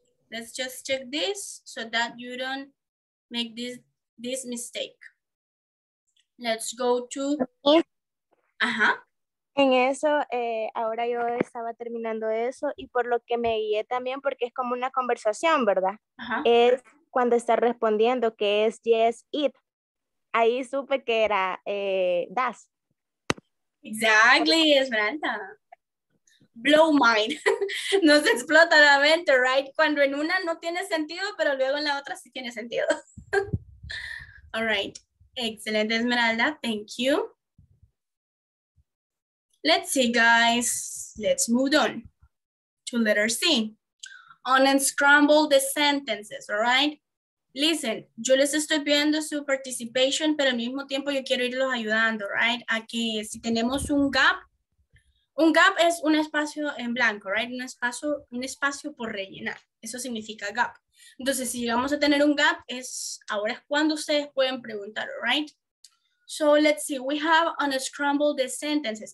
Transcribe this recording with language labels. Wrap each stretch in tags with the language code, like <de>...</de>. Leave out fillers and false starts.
<en>Let's just check this so that you don't make this mistake. Let's go to... Ajá.</en> <es>En eso, ahora yo estaba terminando eso y por lo que me guié también, porque es como una conversación, ¿verdad? Ajá. Es cuando está respondiendo que es</es> <en>yes, it.</en> <es>Ahí supe que era das.</es> <en>Exactly, Esmeralda. Blow mind.</en> <es>Nos explota la mente,</es> <en>right?</en> <es>Cuando en una no tiene sentido, pero luego en la otra sí tiene sentido.</es> <en>All right.</en> <es>Excelente, Esmeralda.</es> <en>Thank you. Let's see, guys. Let's move on to letter C. Unscramble the sentences, all right? Listen,</en> <es>yo les estoy pidiendo su participation, pero al mismo tiempo yo quiero irlos ayudando,</es> <en>right?</en> <es>Aquí, si tenemos un gap es un espacio en blanco,</es> <en>right?</en> <es>Un espacio por rellenar. Eso significa gap. Entonces, si llegamos a tener un gap, ahora es cuando ustedes pueden preguntar,</es> <en>all right? So let's see, we have unscrambled the sentences.</en>